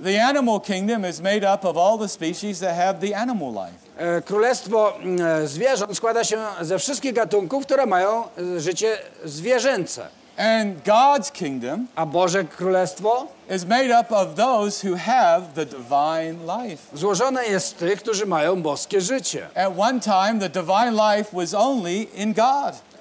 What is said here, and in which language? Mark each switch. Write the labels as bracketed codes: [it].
[en] The animal kingdom is made up of all the species that have the animal life. [pl] Królestwo zwierząt składa się ze wszystkich gatunków, które mają życie zwierzęce. [en] And God's kingdom, [pl] a Boże Królestwo, [en] is made up of those who have the divine life. [pl] Złożone jest z tych, którzy mają boskie życie. [en] At one time, the divine life was only in God.